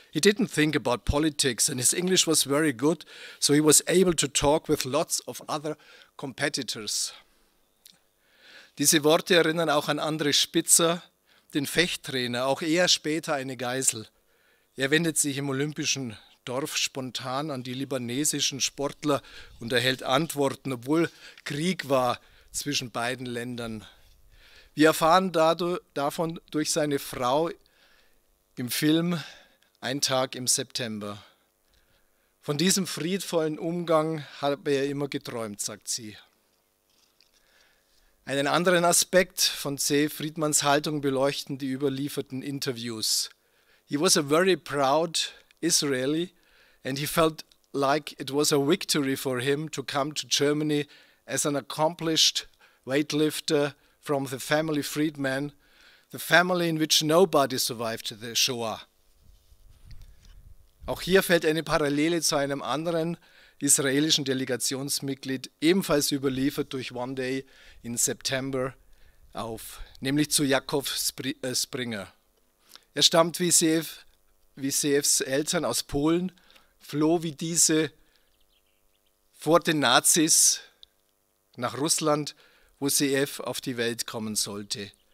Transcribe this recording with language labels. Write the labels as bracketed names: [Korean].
[English] He didn't think about politics and his English was very good, so he was able to talk with lots of other competitors. [German] Diese Worte erinnern auch an André Spitzer, den Fechttrainer, auch er später eine Geisel. Er wendet sich im olympischen Dorf spontan an die libanesischen Sportler und erhält Antworten, obwohl Krieg war zwischen beiden Ländern. Wir erfahren davon durch seine Frau im Film »Ein Tag im September«. Von diesem friedvollen Umgang habe er immer geträumt, sagt sie. Einen anderen Aspekt von Sejew Friedmanns Haltung beleuchten die überlieferten Interviews. [English] He was a very proud Israeli and he felt like it was a victory for him to come to Germany as an accomplished weightlifter from the family Friedman, the family in which nobody survived the Shoah. [German] Auch hier fällt eine Parallele zu einem anderen israelischen Delegationsmitglied, ebenfalls überliefert durch One Day in September, auf, nämlich zu Jakob Springer. Er stammt wie Sejews Eltern aus Polen, floh wie diese vor den Nazis nach Russland, wo Sejew auf die Welt kommen sollte.